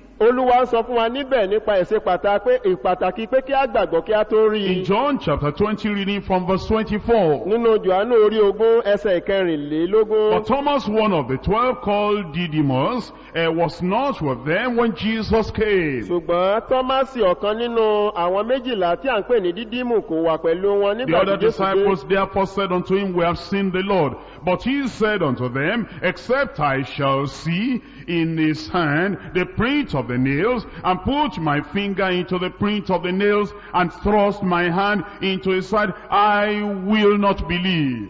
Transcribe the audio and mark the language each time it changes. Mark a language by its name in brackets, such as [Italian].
[Yoruba] Olúwa sọ fún wa níbẹ̀ nípa ẹ̀sẹ̀ pàtàkì pé kí a gbàgbọ́ kí a tó rí. [English] In John chapter 20, reading from verse 24. [Yoruba] Nínú Jọ̀hánù orí ogún ẹsẹ̀ ìkẹrìnlélógún. [English] But Thomas, one of the 12 called Didymus, was not with them when Jesus came. [Yoruba] Ṣùgbọ́n Thomas ọ̀kan nínú àwọn méjìlá tí à ń pè ní Didymu kò wà pẹ̀lú wọn nígbà tí [English] Jesus came. The other disciples therefore said unto him, we have seen the Lord. But he said unto them, except I shall see in his hand the print of the nails and put my finger into the print of the nails and thrust my hand into his side, I will not believe.